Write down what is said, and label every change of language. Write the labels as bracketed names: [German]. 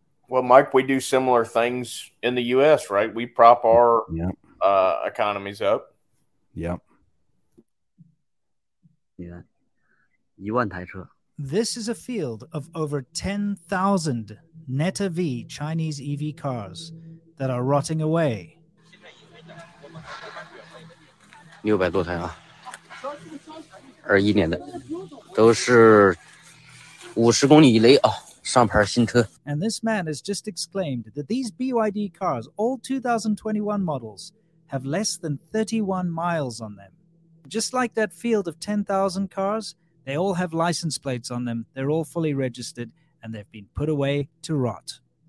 [English] Well, Mike, we do similar things in the U.S., right? We prop our economies up. Yep. Yeah. This is a field of over 10,000 Neta V Chinese EV cars that are rotting away. [Chinese] 600多台啊, 21年的, 都是50公里以内啊, 上牌新车。 [English] And this man has just exclaimed that these BYD cars, all 2021 models, have less than 31 miles on them. Just like that field of 10,000 cars, they all have license plates on them, they're all fully registered, and they've been put away to rot.